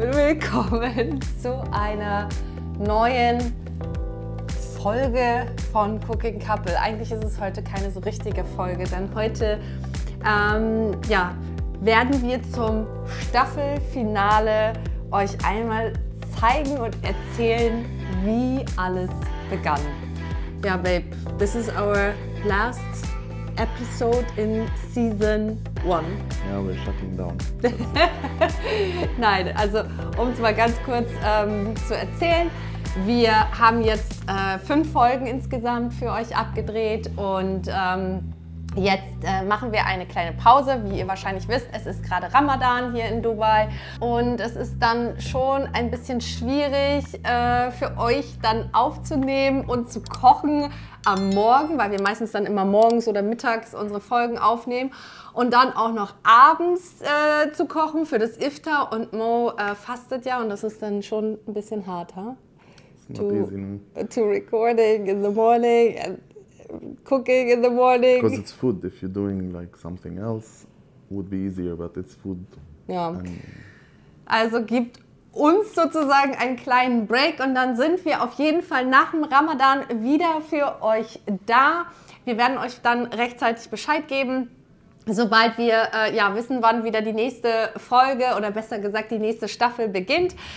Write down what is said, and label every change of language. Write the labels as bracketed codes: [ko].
[de] Willkommen zu einer neuen Folge von Cooking Couple. Eigentlich ist es heute keine so richtige Folge, denn heute werden wir zum Staffelfinale euch einmal zeigen und erzählen, wie alles begann. [en] Ja, Babe, this is our last episode in Season 1. Ja, we're shutting down. [de] Nein, also um es mal ganz kurz zu erzählen. Wir haben jetzt 5 Folgen insgesamt für euch abgedreht und jetzt machen wir eine kleine Pause. Wie ihr wahrscheinlich wisst, es ist gerade Ramadan hier in Dubai und es ist dann schon ein bisschen schwierig für euch dann aufzunehmen und zu kochen am Morgen, weil wir meistens dann immer morgens oder mittags unsere Folgen aufnehmen und dann auch noch abends zu kochen für das Iftar und Mo fastet ja und das ist dann schon ein bisschen hart, ha? [en] To recording in the morning and cooking in the morning. Because it's food. If you're doing like something else, would be easier, but it's food. [de] Ja. Also gibt uns sozusagen einen kleinen Break und dann sind wir auf jeden Fall nach dem Ramadan wieder für euch da. Wir werden euch dann rechtzeitig Bescheid geben, sobald wir wissen, wann wieder die nächste Folge oder besser gesagt die nächste Staffel beginnt.